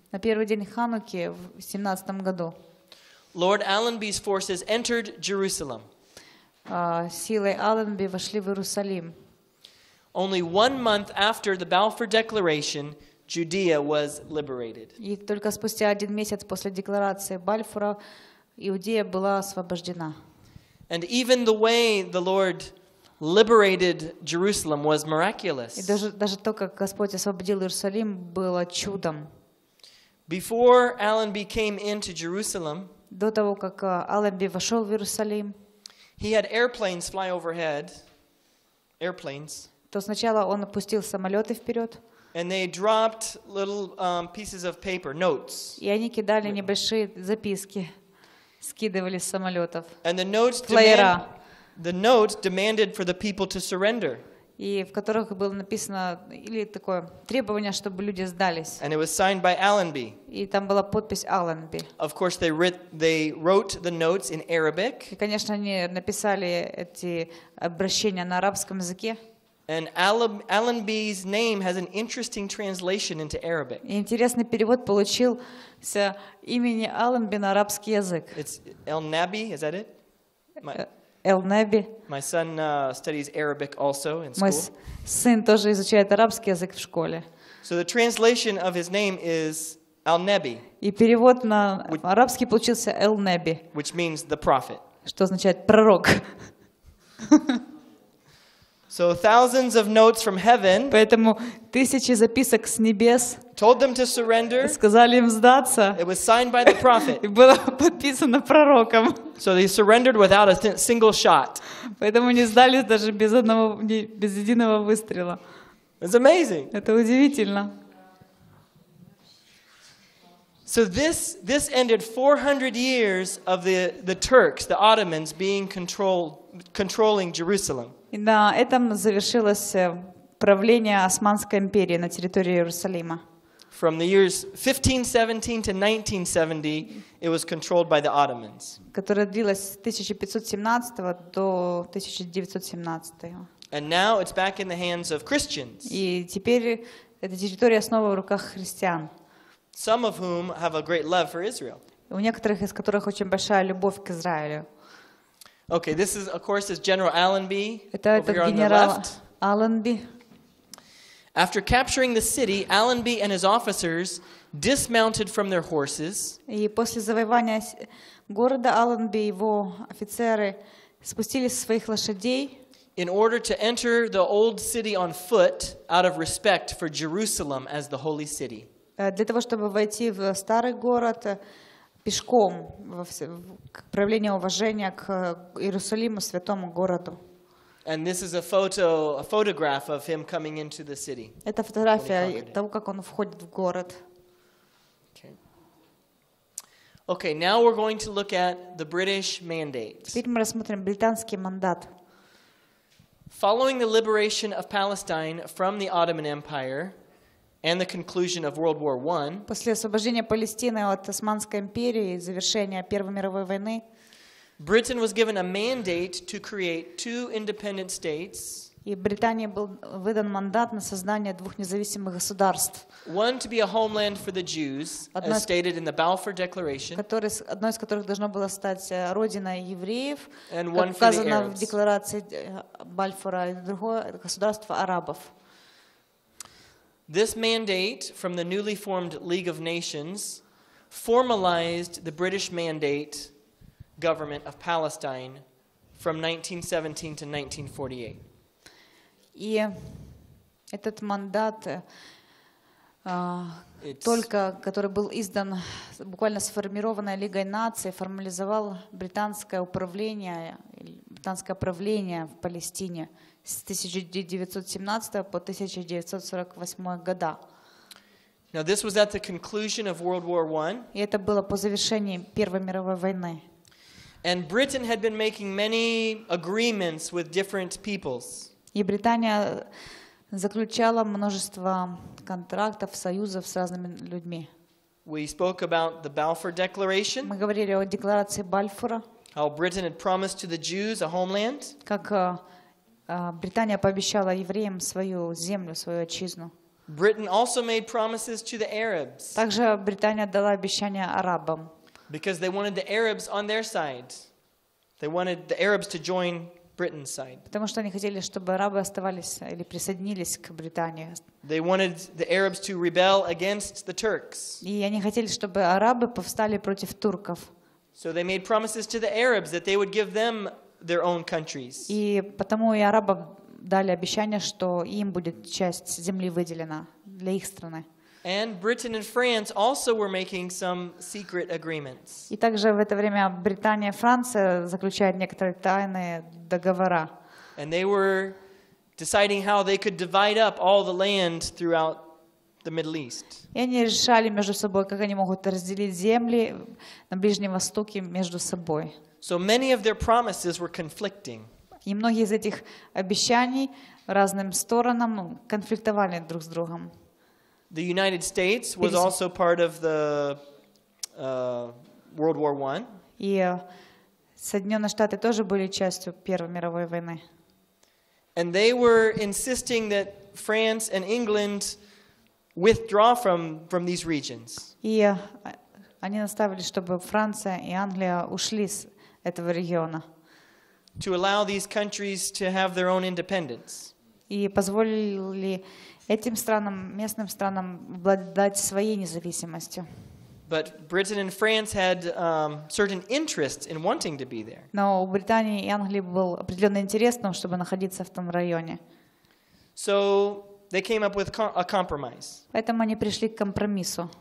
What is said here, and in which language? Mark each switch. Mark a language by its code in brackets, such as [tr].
[ru] На первый день Хануки в 17 году. [en] Lord Allenby's forces entered Jerusalem. [ru] Силы Алленби вошли в Иерусалим. [en] Only 1 month after the Balfour Declaration, Judea was liberated. [ru] И только спустя один месяц после декларации Бальфура Иудея была освобождена. [en] And even the way the Lord liberated Jerusalem was miraculous. [ru] И даже то, как Господь освободил Иерусалим, было чудом. [en] Before Allenby came into Jerusalem, [ru] до того, как Алленби вошел в Иерусалим, [en] he had airplanes fly overhead. Airplanes. [ru] То сначала он опустил самолеты вперед. [en] And they dropped little pieces of paper, notes. [ru] И они кидали небольшие записки, скидывали с самолетов. [en] And the notes demanded for the people to surrender. [ru] И в которых было написано или такое требование, чтобы люди сдались. [en] And it was signed by Allenby. [ru] И там была подпись Allenby. [en] Of course, they wrote the notes in Arabic. [ru] И, конечно, они написали эти обращения на арабском языке. [en] And Allenby's name has an interesting translation into Arabic. [ru] И интересный перевод получился имени Allenby на арабский язык. [en] It's El Nabi, is that it? El-Nabi. My son studies Arabic also in school. [ru] Мой сын тоже изучает арабский язык в школе. [en] So the translation of his name is Al-Nabi. [ru] И перевод на арабский получился El-Nabi. [en] Which means the prophet. [ru] Что означает пророк. [en] So thousands of notes from heaven. [ru] Поэтому тысячи записок с небес. [en] Told them to surrender. [ru] Сказали им сдаться. [en] It was signed by the prophet. [ru] И было подписано пророком. [en] So they surrendered without a single shot. [ru] Поэтому не сдались даже без одного, без единого выстрела. [en] It's amazing. [ru] Это удивительно. [en] So this ended 400 years of the Turks, the Ottomans being controlling Jerusalem. [ru] И на этом завершилось правление Османской империи на территории Иерусалима. [en] From the years 1517 to 1970, it was controlled by the Ottomans. [ru] Которое длилось с 1517 до 1917. [en] And now it's back in the hands of Christians. [ru] И теперь эта территория снова в руках христиан. [en] Some of whom have a great love for Israel. [ru] У некоторых из которых очень большая любовь к Израилю. [en] Okay, this is, of course, is General Allenby. [ru] Это [en] over here [ru] генерал [en] on the left. Allenby. After capturing the city, Allenby and his officers dismounted from their horses. [ru] И после завоевания города Allenby и его офицеры спустились со своих лошадей. [en] In order to enter the old city on foot, out of respect for Jerusalem as the holy city. [ru] Для того чтобы войти в старый город. Пешком в проявление уважения к Иерусалиму, святому городу. [en] And this is a photograph of him coming into the city. [ru] Это фотография того, как он входит в город. [en] Okay, now we're going to look at the British mandate. [ru] Теперь мы рассмотрим британский мандат. [en] Following the liberation of Palestine from the Ottoman Empire. And the conclusion of World War I. [ru] После освобождения Палестины от Османской империи и завершения Первой мировой войны. [en] Britain was given a mandate to create two independent states. [ru] И Британии был выдан мандат на создание двух независимых государств. [en] One to be a homeland for the Jews, as stated in the Balfour Declaration. [ru] Одно из которых должно было стать родиной евреев, как указано в декларации Бальфура, и другое государство арабов. [en] This mandate from the newly formed League of Nations formalized the British mandate government of Palestine from 1917 to 1948. [ru] И этот мандат, только который был издан буквально сформированной Лигой Наций, формализовал британское правление в Палестине. С 1917 по 1948 года. [en] Now this was at the conclusion of World War I. [ru] И это было по завершении Первой мировой войны. [en] And Britain had been making many agreements with different peoples. [ru] И Британия заключала множество контрактов, союзов с разными людьми. [en] We spoke about the Balfour Declaration. [ru] Мы говорили о декларации Бальфура. [en] How Britain had promised to the Jews a homeland. [ru] Как Британия пообещала евреям свою землю, свою отчизну. [en] Britain also made promises to the Arabs. [ru] Также Британия дала обещания арабам. [en] Because they wanted the Arabs on their side. They wanted the Arabs to join Britain's side. [ru] Потому что они хотели, чтобы арабы оставались или присоединились к Британии. [en] They wanted the Arabs to rebel against the Turks. [ru] И они хотели, чтобы арабы повстали против турков. [en] So they made promises to the Arabs that they would give them their own countries. [ru] И потому и арабам дали обещание, что им будет часть земли выделена для их страны. [en] And Britain and France also were making some secret agreements. [ru] И также в это время Британия и Франция заключают некоторые тайные договора. [en] And they were deciding how they could divide up all the land throughout the Middle East. [ru] И они решали между собой, как они могут разделить земли на Ближнем Востоке между собой. [en] So many of their promises were conflicting. [ru] И многие из этих обещаний разным сторонам конфликтовали друг с другом. [en] The United States was also part of the World War I. [ru] И Соединенные Штаты тоже были частью Первой мировой войны. [en] And they were insisting that France and England withdraw from these regions. [ru] И они настаивали, чтобы Франция и Англия ушли с этого региона. [en] To allow these countries to have their own independence. [ru] И позволили этим странам, местным странам, обладать своей независимостью. [en] But Britain and France had certain interests in wanting to be there. [ru] Но у Британии и Англии был определенный интерес в том, чтобы находиться в том районе. [en] So they came up with a compromise. [ru] Поэтому они пришли к компромиссу.